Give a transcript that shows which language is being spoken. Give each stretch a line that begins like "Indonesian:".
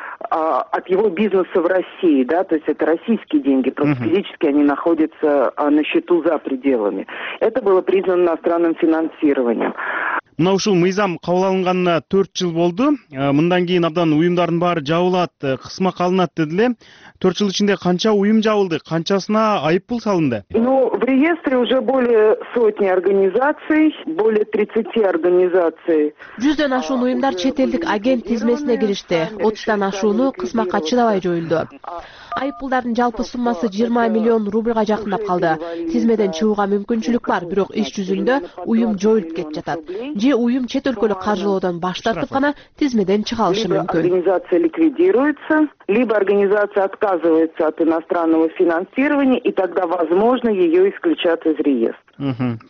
Russian: От его бизнеса в России, да, то есть это российские деньги, просто физически они находятся на счету за пределами. Это было признано иностранным финансированием.
Kyrgyz: Мына ушул мыйзам кабыл алынганына 4 жыл болду. Мындан кийин абдан уюмдардын баары жабылат, кысмак алынат дедиле. 4 жыл ичинде канча уюм жабылды, канчасына айып пул салынды?
Russian: Ну, в реестре уже более сотни организаций, более 30 организаций.
Kyrgyz: 100-ден ашуун уюмдар чет элдик агент тизмесине киришти. 30-дан ашууну кысмакка чыдабай жоюлду. Айыппулдардын жалпы суммасы 20 миллион рубльга жакындап калды. Тизмеден чыгууга мүмкүнчүлүк бар, бирок иш жүзүндө уюм жоюлуп кетип жатат. Же уюм чет өлкөлүк каржылоодон баш тартып гана тизмеден чыга алышы мүмкүн.
Russian: Организация ликвидируется, либо организация отказывается от иностранного финансирования, и тогда возможно её исключат из реестра.